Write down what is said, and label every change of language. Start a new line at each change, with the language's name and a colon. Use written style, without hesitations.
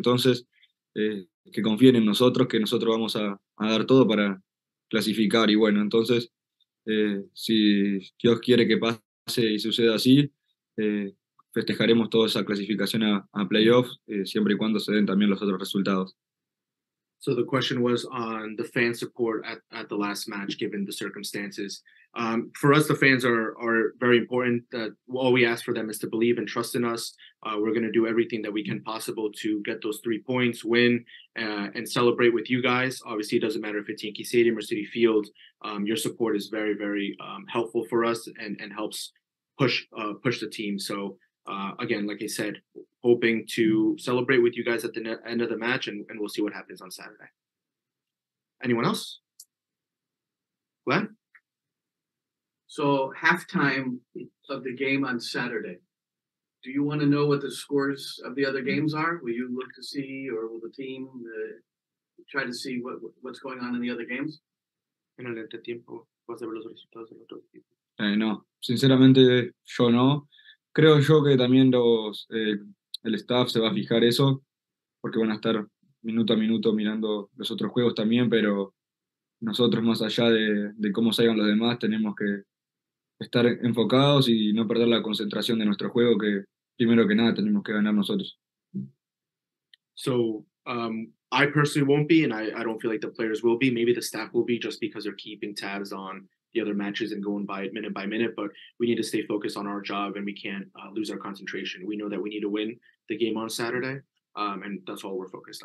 Spanish: Entonces, que confíen en nosotros, que nosotros vamos a dar todo para clasificar. Y bueno, entonces, si Dios quiere que pase y suceda así, festejaremos toda esa clasificación a playoffs, siempre y cuando se den también los otros resultados.
English: So the question was on the fan support at the last match, given the circumstances. For us, the fans are very important. All we ask for them is to believe and trust in us. We're going to do everything that we can possible to get those 3 points, win, and celebrate with you guys. Obviously, it doesn't matter if it's Yankee Stadium or City Field. Your support is very, very helpful for us and helps push the team. So again, like I said, hoping to celebrate with you guys at the end of the match, and we'll see what happens on Saturday. Anyone else? Glenn? So, halftime of the game on Saturday. Do you want to know what the scores of the other games are? Will you look to see, or will the team try to see what's going on in the other games?
Spanish: En el entretiempo, ¿vas a ver los resultados de los otros equipos? No, sinceramente, yo no. Creo yo que también los el staff se va a fijar eso, porque van a estar minuto a minuto mirando los otros juegos también, pero nosotros, más allá de cómo salgan los demás, tenemos que estar enfocados y no perder la concentración de nuestro juego, que primero que nada tenemos que ganar nosotros.
English: So, I personally won't be, and I don't feel like the players will be. Maybe the staff will be, just because they're keeping tabs on the other matches and going by minute, but we need to stay focused on our job, and we can't lose our concentration. We know that we need to win the game on Saturday, and that's all we're focused on.